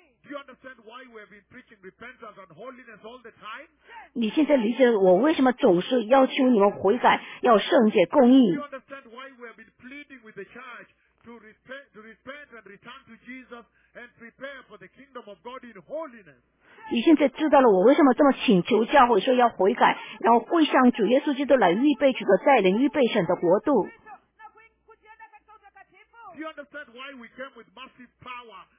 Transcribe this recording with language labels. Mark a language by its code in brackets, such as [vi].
[en] Do you understand why we have been preaching repentance and holiness all the time? [zh] 你现在理解我为什么总是要求你们悔改，要圣洁、公义。 [en] Do you understand why we have been pleading with the church to repent and return to Jesus and prepare for the kingdom of God in holiness? [zh] 你现在知道了我为什么这么请求教会说要悔改，然后归向主耶稣基督来预备主的再临，预备神的国度。 [en] Do you understand why we came with massive power?